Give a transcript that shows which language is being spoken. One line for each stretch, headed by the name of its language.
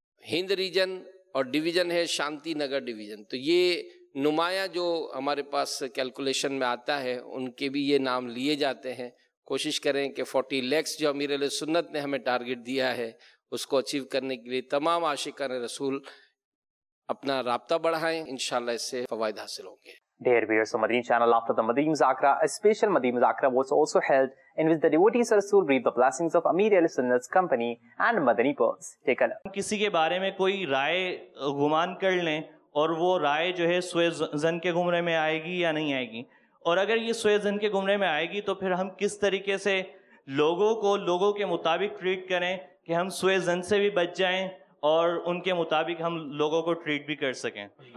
Urdu: ہند region اور division ہے شانتی Nagar division تو یہ نمایاں جو ہمارے پاس کیلکولیشن میں آتا ہے ان کے بھی یہ نام لیے جاتے ہیں کوشش کریں کہ 40 لاکھ جو امیر علیہ سنت نے ہمیں ٹارگٹ دیا ہے اس کو اچیو کرنے کے لیے تمام عاشقان رسول اپنا رابطہ بڑھائیں انشاءاللہ اس سے فوائد حاصل ہوں گے
English: Dear viewers, so Madrin channel after the Madrin Muzakra, a special Madrin Muzakra was also held in which the devotees of Rasool read the blessings of Amir al-Sunnat's company and Madani pearls. Take a look.
Urdu: کسی کے بارے میں کوئی رائے گمان کر لیں اور وہ رائے جو ہے سوئے زن کے گمرے میں آئے گی یا نہیں آئے گی اور اگر یہ سوئے زن کے گمرے میں آئے گی تو پھر ہم کس طریقے سے لوگوں کے مطابق ٹریٹ کریں کہ ہم سوئے زن سے بھی بچ جائیں اور ان کے مطابق ہم لوگوں کو ٹریٹ بھی کر سکیں